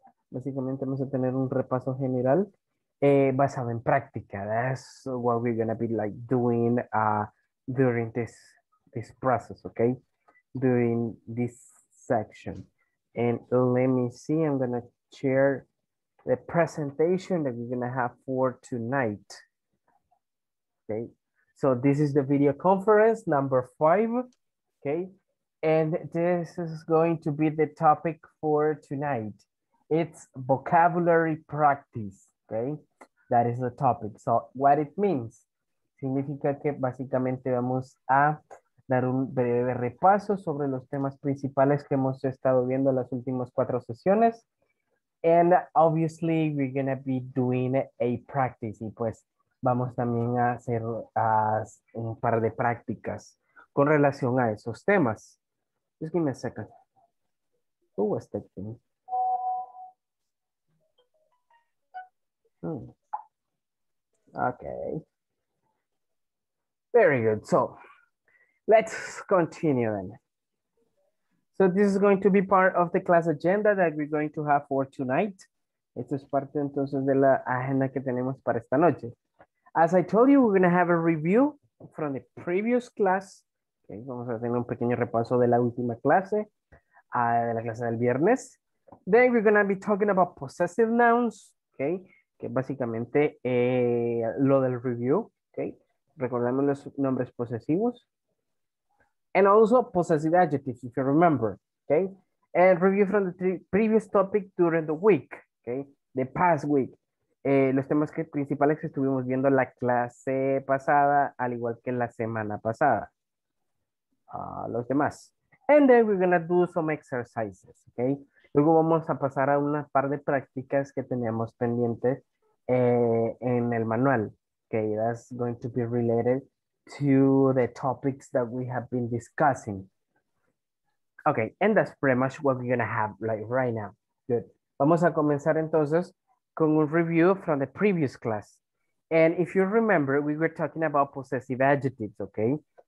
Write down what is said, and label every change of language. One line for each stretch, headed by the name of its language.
Spanish: Básicamente, vamos a tener un repaso general basado en práctica.
English: That's what we're gonna be like doing during this process, okay? During this section. And let me see, I'm gonna share the presentation that we're gonna have for tonight. Okay, so this is the video conference number 5, okay? And this is going to be the topic for tonight. It's vocabulary practice, okay? That is the topic. So what it means,
Spanish: significa que básicamente vamos a dar un breve repaso sobre los temas principales que hemos estado viendo en las últimas 4 sesiones.
English: And obviously, we're going to be doing a practice.
Spanish: Y pues, vamos también a hacer un par de prácticas con relación a esos temas.
English: Just give me a second. Who was that thing? Okay. Very good. So, let's continue then. So this is going to be part of the class agenda that we're going to have for tonight.
Spanish: Esto es parte entonces de la agenda que tenemos para esta noche.
English: As I told you, we're going to have a review from the previous class.
Spanish: Okay, vamos a tener un pequeño repaso de la última clase, de la clase del viernes.
English: Then we're going to be talking about possessive nouns, okay,
Spanish: que básicamente lo del review. Okay, recordemos los nombres posesivos.
English: And also possessive adjectives, if you remember, okay? And review from the previous topic during the week, okay? The past week.
Spanish: Los temas que principales que estuvimos viendo la clase pasada, al igual que la semana pasada. Los demás.
English: And then we're gonna do some exercises, okay?
Spanish: Luego vamos a pasar a una par de prácticas que teníamos pendientes en el manual, okay?
English: That's going to be related to the topics that we have been discussing. Okay, and that's pretty much what we're gonna have like right now. Good.
Spanish: Vamos a comenzar entonces con un review
English: from the previous class. And if you remember, we were talking about possessive adjectives, okay?